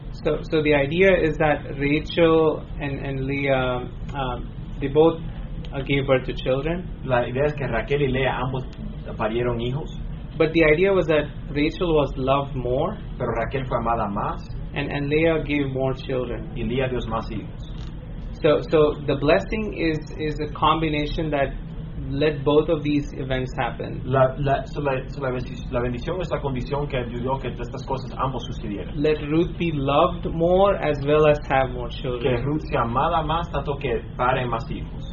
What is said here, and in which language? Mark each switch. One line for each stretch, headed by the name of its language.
English: So the idea is that Rachel and Leah they both gave birth to children.
Spanish: La idea es que Raquel y Lea ambos parieron hijos.
English: But the idea was that Rachel was loved more.
Spanish: Pero Raquel fue amada más.
English: And Leah gave more children.
Spanish: Y Leah dio más hijos.
English: So the blessing is a combination that let both of these events happen.
Spanish: La bendición es la condición que ayudó que estas cosas ambos sucedieran.
English: Let Ruth be loved more as well as have more children.
Spanish: Que Ruth sea amada más tanto que pare más hijos.